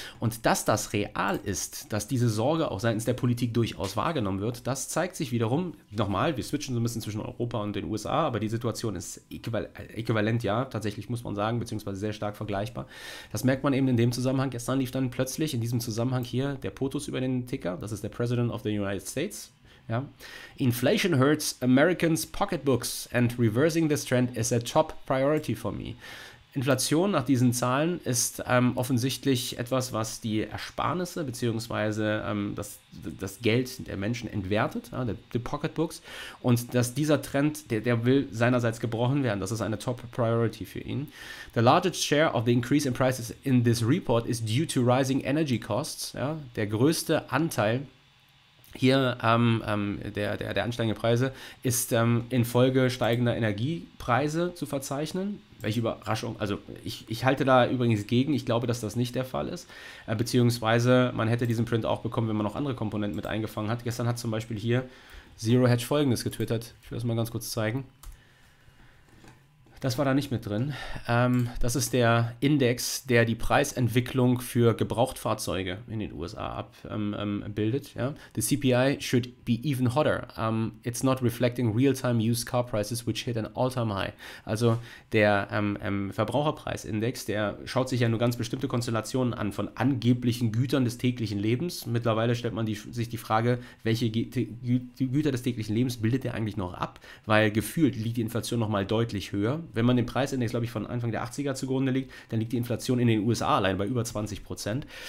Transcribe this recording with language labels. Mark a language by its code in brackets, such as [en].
[de] Und dass das real ist, dass diese Sorge auch seitens der Politik durchaus wahrgenommen wird, das zeigt sich wiederum, nochmal, wir switchen so ein bisschen zwischen Europa und den USA, aber die Situation ist äquivalent, ja, tatsächlich muss man sagen, beziehungsweise sehr stark vergleichbar. Das merkt man eben in dem Zusammenhang. Gestern lief dann plötzlich in diesem Zusammenhang hier der POTUS über den Ticker, das ist der [en] President of the United States. [de] Ja. [en] Inflation hurts Americans' pocketbooks and reversing this trend is a top priority for me. [de] Inflation nach diesen Zahlen ist offensichtlich etwas, was die Ersparnisse bzw. das Geld der Menschen entwertet, ja, die Pocketbooks. Und dass dieser Trend, der will seinerseits gebrochen werden, das ist eine Top Priority für ihn. [en] The largest share of the increase in prices in this report is due to rising energy costs. [de] Ja. Der größte Anteil hier der ansteigenden Preise ist infolge steigender Energiepreise zu verzeichnen. Welche Überraschung. Also ich halte da übrigens gegen. Ich glaube, dass das nicht der Fall ist. Beziehungsweise man hätte diesen Print auch bekommen, wenn man noch andere Komponenten mit eingefangen hat. Gestern hat zum Beispiel hier Zero Hedge Folgendes getwittert. Ich will das mal ganz kurz zeigen. Das war da nicht mit drin. Das ist der Index, der die Preisentwicklung für Gebrauchtfahrzeuge in den USA abbildet. Ja. [en] The CPI should be even hotter. It's not reflecting real-time used car prices, which hit an all-time high. [de] Also der Verbraucherpreisindex, der schaut sich ja nur ganz bestimmte Konstellationen an von angeblichen Gütern des täglichen Lebens. Mittlerweile stellt man sich die Frage, welche Güter des täglichen Lebens bildet der eigentlich noch ab? Weil gefühlt liegt die Inflation noch mal deutlich höher. Wenn man den Preisindex, glaube ich, von Anfang der 80er zugrunde legt, dann liegt die Inflation in den USA allein bei über 20%.